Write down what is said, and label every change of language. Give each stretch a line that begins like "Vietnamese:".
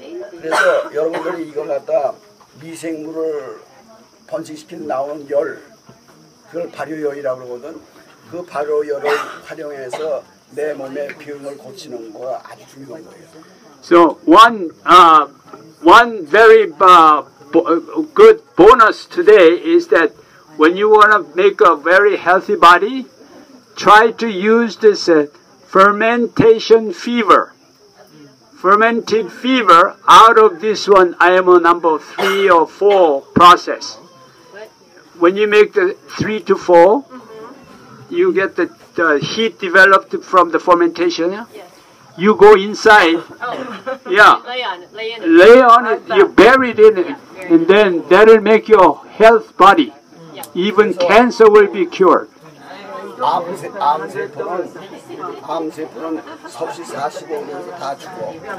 Korean: 그래서 여러분들이 이걸 갖다 미생물을 번식시키는 나온 열, 그걸 발효열이라고 그러거든. 그 발효열을 활용해서 내 몸의 비움을 고치는 거 아주 중요한 거예요.
English: So one very good bonus today is that when you want to make a very healthy body, try to use this fermentation fever. Fermented fever out of this one, IMO number 3 or 4 process. When you make the 3 to 4, mm-hmm. you get the heat developed from the fermentation. Yes. You go inside. Oh. Yeah. Lay on it. You bury it in it. Yeah, and then that will make your health body. Even cancer will be cured.
Korean: 암세포는 섭씨 45년에서 다 죽어.